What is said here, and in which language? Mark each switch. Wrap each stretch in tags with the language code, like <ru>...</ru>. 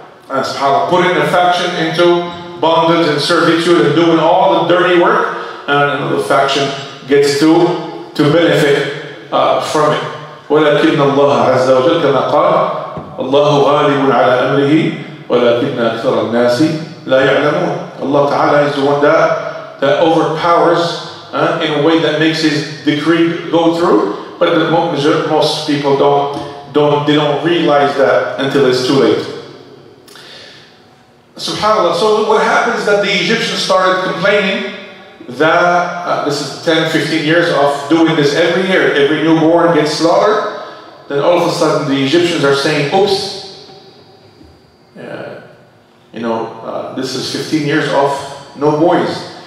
<en>And subhanAllah, putting a faction into bondage and servitude and doing all the dirty work, and another faction gets to benefit from it.</en> <ar>ولكن الله عز وجل كما قال الله غالب على أمره ولكن أكثر الناس لا يعلمون.</ar> <en>Allah Ta'ala is the one that overpowers in a way that makes his decree go through, but the most people don't realize that until it's too late. SubhanAllah, so what happens is that the Egyptians started complaining that this is 10, 15 years of doing this every year, every newborn gets slaughtered, then all of a sudden the Egyptians are saying, oops, you know, this is 15 years of no boys.</en>